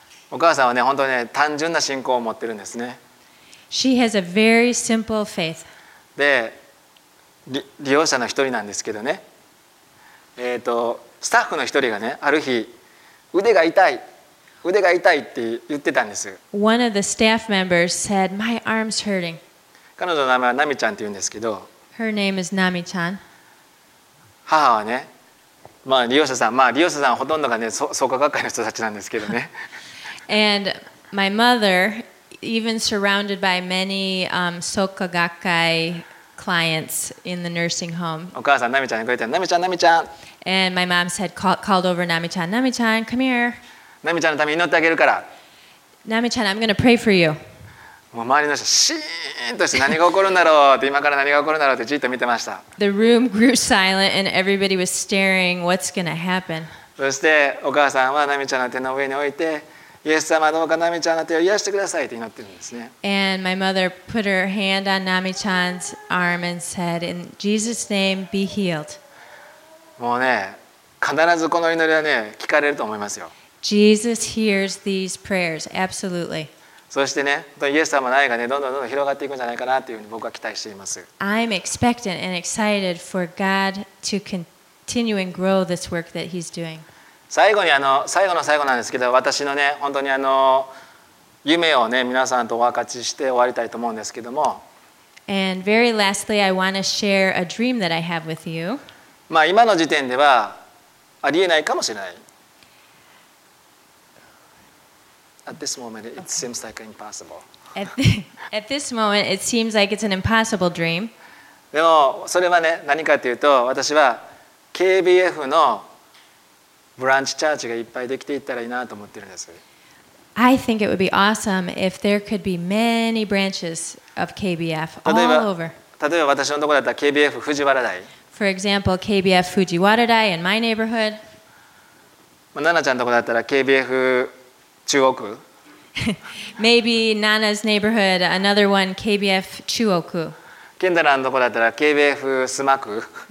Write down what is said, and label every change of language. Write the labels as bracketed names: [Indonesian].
[Japanese] お母さんはね、本当に、ね、単純な信仰を持ってるんですね。 [English] She has a very simple faith. [Japanese] で、利用者の一人なんですけどね。スタッフの一人がね、ある日、腕が痛いって言ってたんです。 [English] One of the staff members said, "My arm's hurting." [Japanese] 彼女の名前はナミちゃんって言うんですけど。 [English] Her name is Nami-chan. [Japanese] 母はね、まあ利用者さん、利用者さんはほとんどがね、創価学会の人たちなんですけどね。 [English] And my mother, even surrounded by many Soka Gakkai clients in the nursing home. [Japanese] お母さん、ナミちゃんに来て、ナミちゃん、ナミちゃん。 [English] And my mom said, called over Nami-chan, Nami-chan, come here. [Japanese] ナミちゃんのために祈ってあげるから。 [English] Nami-chan, I'm going to pray for you. [Japanese] もう周りの人、シーンとして何が起こるんだろうって、今から何が起こるんだろうってじっと見てました。 [English] The room grew silent and everybody was staring, what's going to happen? [Japanese] そして、お母さんはナミちゃんの手の上に置いて、イエス様どうかナミちゃんの手を癒してくださいって祈ってるんですね。 [English] And my mother put her hand on Nami-chan's arm and said, "In Jesus' name, be healed." [Japanese] もうね、必ずこの祈りはね、聞かれると思いますよ。 [English] Jesus hears these prayers, absolutely. [Japanese] そしてね、イエス様の愛がね、どんどん広がっていくんじゃないかなっていうふうに僕は期待しています。 [English] I'm expectant and excited for God to continue and grow this work that He's doing. [Japanese] 最後に最後の最後なんですけど、私のね、本当に夢をね、皆さんとお分かちして終わりたいと思うんですけども。 [English] And very lastly, I want to share a dream that I have with you. [Japanese] 今の時点ではありえないかもしれない。 [English] At this moment, it seems like impossible. At this moment, it seems like it's an impossible dream. [Japanese] でも、それはね、何かというと、私は KBF のブランチチャーチがいっぱいできていったらいいなと思ってるんです。 [English] I think it would be awesome if there could be many branches of KBF all over. [Japanese] 例えば私のところだったら KBF 藤原台。 [English] For example, KBF Fujiwara-dai in my neighborhood. [Japanese] Nana ちゃんのところだったら KBF 中央区。 [English] Maybe Nana's neighborhood, another one, KBF 中央区。 [Japanese] Kendra のところだったら KBF スマ区。